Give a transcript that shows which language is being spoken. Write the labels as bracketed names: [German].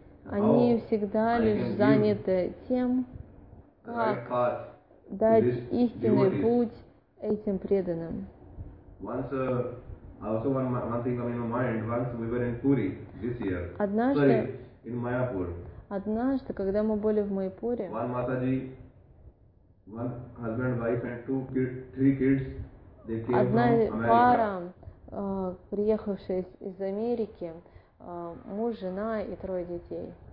[Russian] Они всегда лишь заняты тем, как дать истинный путь этим преданным. [English] Also one thing came in my mind. Once we were in Puri this year. In Mayapur. [Russian] Однажды, когда мы были в Майпуре. [English] One Mataji, one husband, wife, and two kids, three kids. They came from America. [Russian] Одна пара, приехавшая из Америки, муж, жена и трое детей.